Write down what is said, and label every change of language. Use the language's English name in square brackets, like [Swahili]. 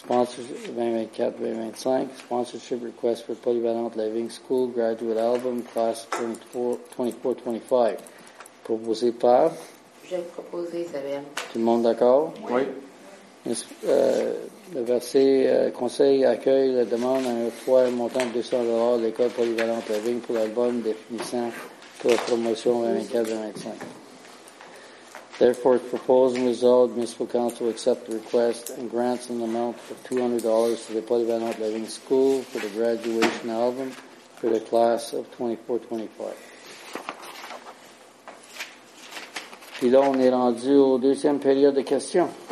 [English] Sponsorship 2024-2025. Sponsorship request for polyvalente La Vigne School graduate album class 24-25. [French] Proposé par? Je propose Isabelle. Tout le monde d'accord? Oui. Le verset conseil accueille la demande à un fois un montant de 200 $ de l'école polyvalente La Vigne pour l'album définissant pour la promotion 24-25. [English] Therefore, it's proposed and resolved municipal council accept the request and grants an amount of $200 to the polyvalente La Vigne school for the graduation album for the class of 24-25. [French] Puis là, on est rendu au deuxième période de questions.